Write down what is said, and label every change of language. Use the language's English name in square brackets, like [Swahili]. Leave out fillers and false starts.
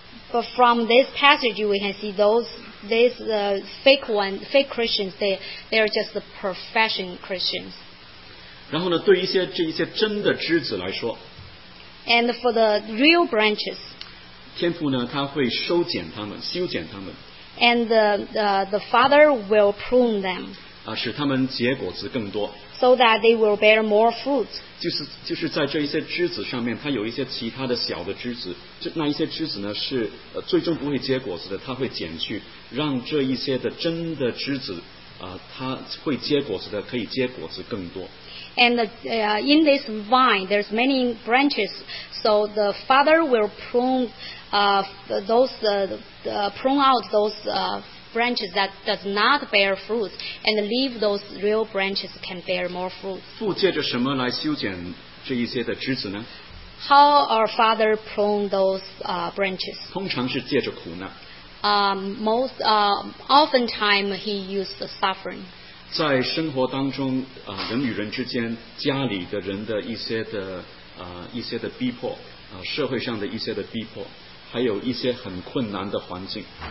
[English] But from this passage, we can see these fake Christians, they are just the profession Christians. [Chinese] 然后呢, 对一些真的枝子来说, [English] and for the real branches, [Chinese] 天父呢, 他会收剪他们, 修剪他们。 [English] And the Father will prune them [Chinese] 使他们结果子更多, [English] so that they will bear more fruit. [Chinese] 就是在这一些枝子上面, 它有一些其他的小的枝子, 那一些枝子呢, 是, 最终不会结果子的, 它会剪去, 让这一些的真的枝子, 它会结果子的, 可以结果子更多。 [English] And in this vine, there's many branches. So the Father will prune out those branches that does not bear fruit, and leave those real branches can bear more fruit. [Chinese] 父借着什么来修剪这一些的枝子呢? [English] How our Father prune those branches? [Chinese] 通常是借着苦难。 [English] Oftentimes he used the suffering. [Chinese] 在生活当中, 人与人之间, 家里的人的一些的, 一些的逼迫, 社会上的一些的逼迫, 还有一些很困难的环境。